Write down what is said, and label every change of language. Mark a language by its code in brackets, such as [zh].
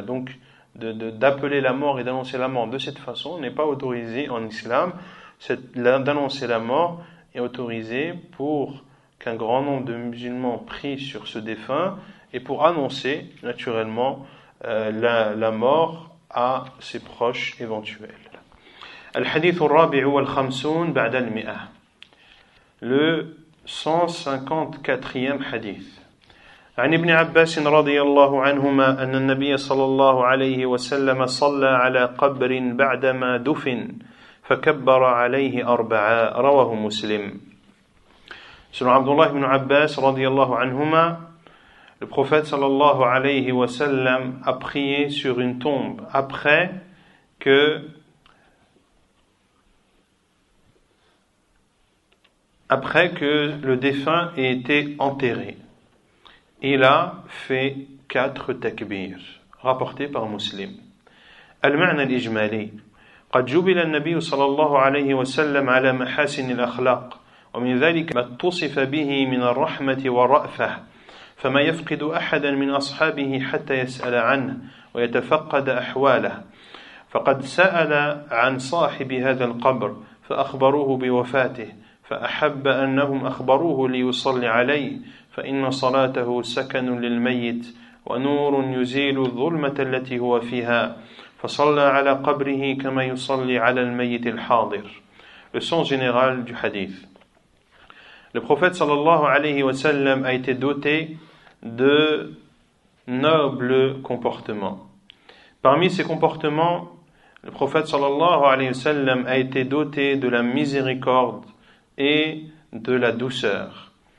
[fr] Donc, d'appeler la mort et d'annoncer la mort de cette façon n'est pas autorisé en islam. D'annoncer la mort est autorisé pour qu'un grand nombre de musulmans prient sur ce défunt et pour annoncer, naturellement, la mort à ses proches éventuels. [ar] الحديث الرابع والخمسون بعد المئة. [fr] Le 154e hadith. [ar] عن ابن عباس رضي الله عنهما أن النبي صلى الله عليه وسلم صلى على قبر بعدما دفن فكبر عليه أربعا رواه مسلم. [fr] سيدنا عبد الله بن عباس [ar] رضي الله عنهما [fr] le prophète [ar] صلى الله عليه وسلم [fr] a prié sur une tombe après que le défunt ait été enterré. Il a fait 4 takbir, rapporté par Muslim. [ar] المعنى الإجمالي قد جبل النبي صلى الله عليه وسلم على محاسن الأخلاق ومن ذلك ما اتصف به من الرحمة والرأفة فما يفقد أحدا من أصحابه حتى يسأل عنه ويتفقد أحواله فقد سأل عن صاحب هذا القبر فأخبروه بوفاته فأحب أنهم أخبروه ليصلي عليه فإن صلاته سكن للميت ونور يزيل الظلمة التي هو فيها فصلى على قبره كما يصلي على الميت الحاضر. [fr] Le sens général du hadith. Le prophète sallallahu alayhi wa sallam a été doté de nobles comportements. Parmi ces comportements, le prophète sallallahu alayhi wa sallam a été doté de la miséricorde et de la douceur.